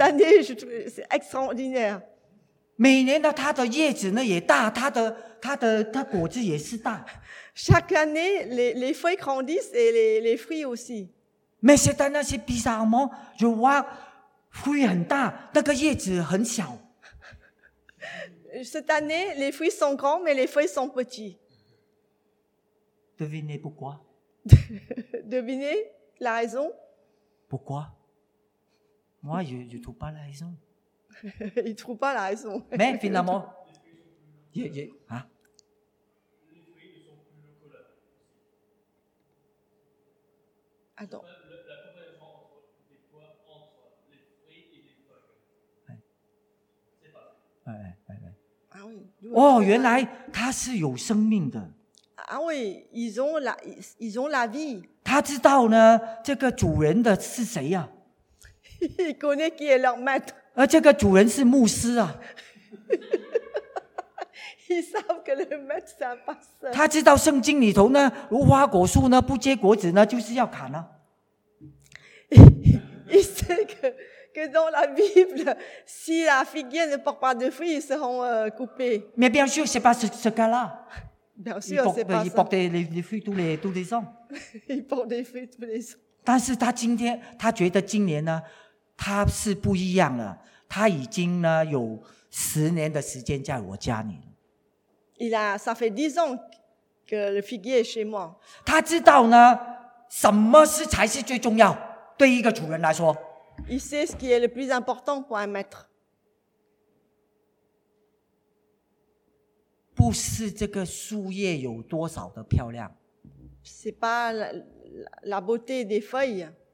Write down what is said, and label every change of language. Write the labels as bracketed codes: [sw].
[fr] année, je trouve que c'est extraordinaire. [zh] 每年呢, 它的叶子呢也大, 它的 果子也是大. [fr] Chaque année, les feuilles grandissent et les fruits aussi. Mais cette année, c'est bizarrement, je vois. [zh] 灰很大, 那个叶子很小。 [fr] Cette année, les fruits sont grands, mais les feuilles sont petits. Devinez pourquoi? Devinez la raison? Pourquoi? Moi, je ne trouve pas la raison. Il ne trouve pas la raison. Mais finalement, hein? Attends. [zh] Ah oui. Oh, 原来它是有生命的. [fr] Ah oui, ils ont la vie. [zh] 他知道呢, 这个主人的是谁啊? [fr] Ils connaissent qui est leur maître. [zh] 而这个主人是牧师啊. [fr] Ils savent que le maître c'est un pasteur. [zh] 他知道圣经里头呢, 无花果树呢, 不结果子呢, 就是要砍啊. [fr] Ils savent que dans la Bible, si la figuier ne porte pas de fruits, ils seront coupés. Mais bien sûr, ce n'est pas ce cas-là. Bien sûr, ce n'est pas ça. Il porte les fruits tous les ans. Il porte des fruits tous les ans. [zh] 但是他今天, 他觉得今年呢, 他是不一样了, 他已经呢, 有10年的时间在我家里了。 [fr] Ça fait 10 ans que le figuier est chez moi. [zh] 他知道呢, 什么才是最重要, 对一个主人来说。 [fr] Il sait ce qui est le plus important pour un maître. Ce n'est pas la beauté des feuilles.